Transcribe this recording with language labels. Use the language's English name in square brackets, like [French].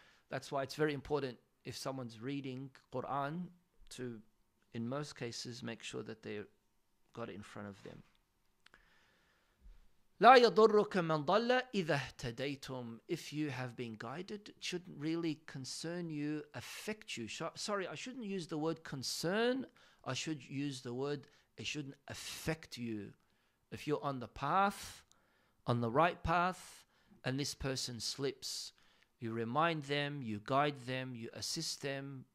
[English] That's why it's very important if someone's reading Quran to, in most cases, make sure that they got it in front of them. [Arabic] لا يضرك من ضل إذا اهتديتم. [English] If you have been guided, it shouldn't really concern you, affect you. Sorry, I shouldn't use the word concern. I should use the word, it shouldn't affect you. If you're on the path, on the right path, and this person slips, you remind them, you guide them, you assist them.